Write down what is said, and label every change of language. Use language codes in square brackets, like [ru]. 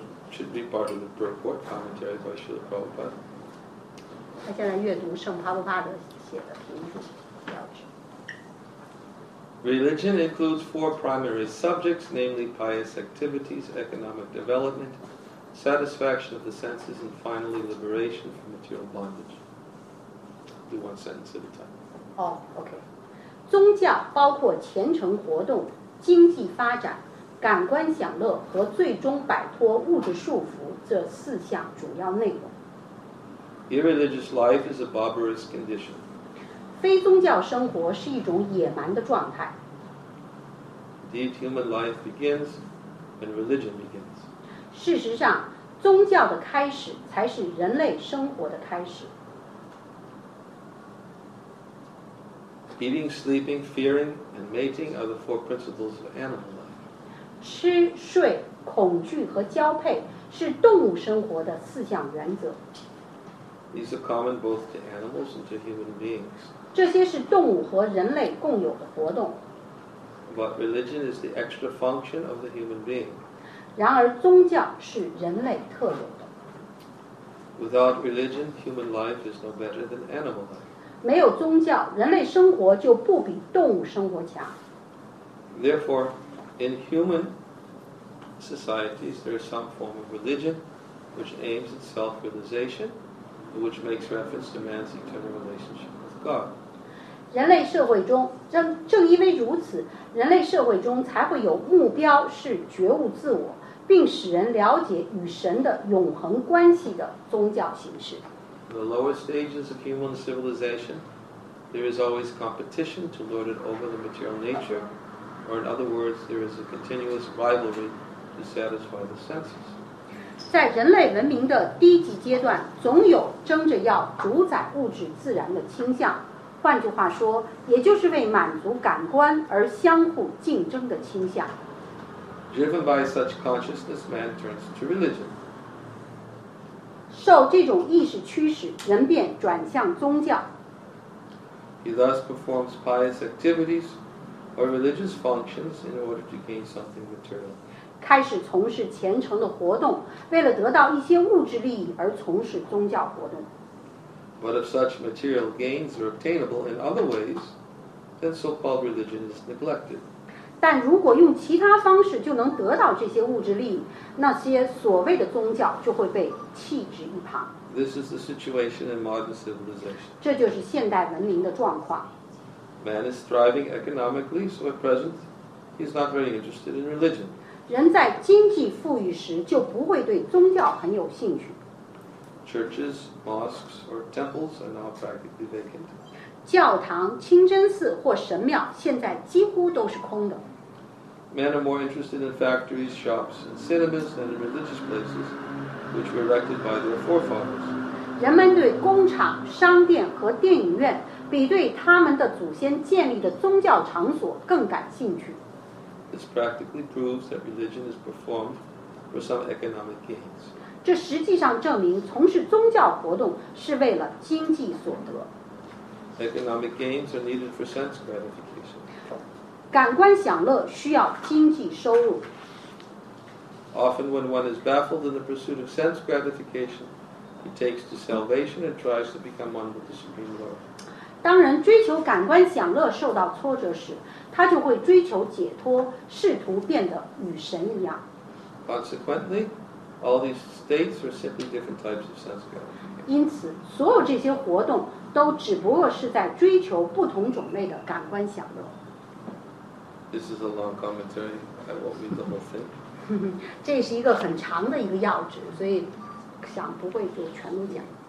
[en] should be part of the report commentary by Srila Prabhupada. [zh] 他现在阅读圣帕布帕的写的评注。 [en] Religion includes four primary subjects, namely pious activities, economic development, satisfaction of the senses, and finally liberation from material bondage. Do one sentence at a time. Oh, okay. [zh] 宗教包括虔诚活动、经济发展、感官享乐和最终摆脱物质束缚这四项主要内容。 [en] Irreligious life is a barbarous condition. [zh] 非宗教生活是一种野蛮的状态。 [en] Indeed, human life begins when religion begins. [zh] 事实上，宗教的开始才是人类生活的开始。 [en] Eating, sleeping, fearing, and mating are the four principles of animal life. [zh] 吃、睡、恐惧和交配是动物生活的四项原则。 [en] These are common both to animals and to human beings. [zh] 这些是动物和人类共有的活动。 [en] But religion is the extra function of the human being. [zh] 然而宗教是人类特有的。 [en] Without religion, human life is no better than animal life. [zh] 没有宗教，人类生活就不比动物生活强。 [en] Therefore, in human societies, there is some form of religion which aims at self-realization, which makes reference to man's eternal relationship with God. [zh] 人类社会中，正因为如此，人类社会中才会有目标是觉悟自我，并使人了解与神的永恒关系的宗教形式。 [en] The lower stages of human civilization, there is always competition to lord it over the material nature, or in other words, there is a continuous rivalry to satisfy the senses. [zh] 在人类文明的低级阶段，总有争着要主宰物质自然的倾向。换句话说，也就是为满足感官而相互竞争的倾向。 [en] Driven by such consciousness, man turns to religion. [zh] 受这种意识驱使，人便转向宗教。 [en] He thus performs pious activities or religious functions in order to gain something material. [zh] 开始从事虔诚的活动，为了得到一些物质利益而从事宗教活动。 [en] But if such material gains are obtainable in other ways, then so-called religion is neglected. [zh] 但如果用其他方式就能得到这些物质利益，那些所谓的宗教就会被弃置一旁。 [en] This is the situation in modern civilization. [zh] 这就是现代文明的状况。 [en] Man is thriving economically, so at present, he is not very interested in religion. [zh] 人在经济富裕时就不会对宗教很有兴趣。 [en] Churches, mosques, or temples are now practically vacant. [zh] 教堂、清真寺或神庙现在几乎都是空的。 [en] Men are more interested in factories, shops, and cinemas than in religious places, which were erected by their forefathers. [zh] 人们对工厂、商店和电影院比对他们的祖先建立的宗教场所更感兴趣。 [en] This practically proves that religion is performed for some economic gains. [zh] 这实际上证明从事宗教活动是为了经济所得。 [en] Economic gains are needed for sense gratification. [zh] 感官享乐需要经济收入。 [en] Often when one is baffled in the pursuit of sense gratification, he takes to salvation and tries to become one with the Supreme Lord. [zh] 当人追求感官享乐受到挫折时，他就会追求解脱，试图变得与神一样。 [en] Consequently, All these states are simply different types of sense gathering. [zh] 因此，所有这些活动都只不过是在追求不同种类的感官享乐。 [en] This is a long commentary. I won't read the whole thing. [zh] 这是一个很长的一个要旨，所以想不会就全都讲。